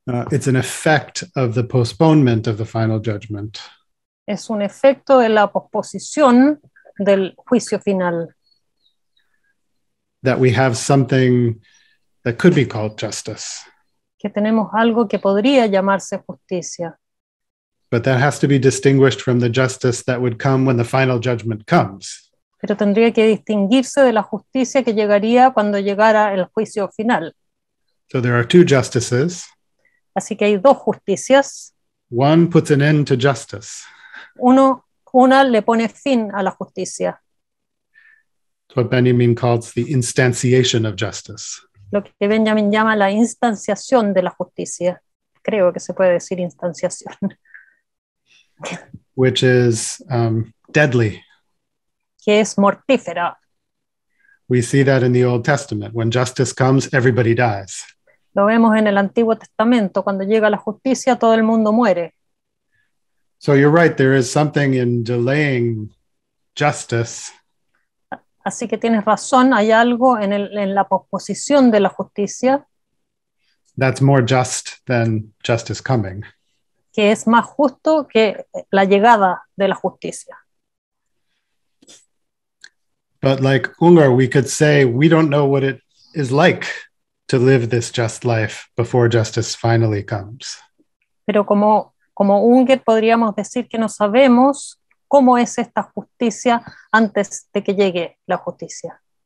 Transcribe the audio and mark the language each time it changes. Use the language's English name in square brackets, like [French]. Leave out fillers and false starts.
[English] It's an effect of the postponement of the final judgment. [Spanish] Es un efecto de la posposición del juicio final. [English] That we have something that could be called justice. [Spanish] Que tenemos algo que podría llamarse justicia. [English] But that has to be distinguished from the justice that would come when the final judgment comes. [Spanish] Pero tendría que distinguirse de la justicia que llegaría cuando llegara el juicio final. [English] So there are two justices. [Spanish] Así que hay dos justicias. [English] One puts an end to justice. [Spanish] Una le pone fin a la justicia. [English] It's what Benjamin calls the instantiation of justice. [Spanish] Lo que Benjamin llama la instanciación de la justicia. Creo que se puede decir instanciación. [English] Which is deadly. [Spanish] Que es mortífera. [English] We see that in the Old Testament. When justice comes, everybody dies. [Spanish] Lo vemos en el Antiguo Testamento. Cuando llega la justicia, todo el mundo muere. [English] So you're right, there is something in delaying justice. [Spanish] Así que tienes razón, hay algo en la posposición de la justicia. [English] That's more just than justice coming. [Spanish] Que es más justo que la llegada de la justicia. [English] But like Unger, we could say we don't know what it is like to live this just life before justice finally comes. [Spanish] Pero como Unger, podríamos decir que no sabemos cómo es esta justicia antes de que llegue la justicia.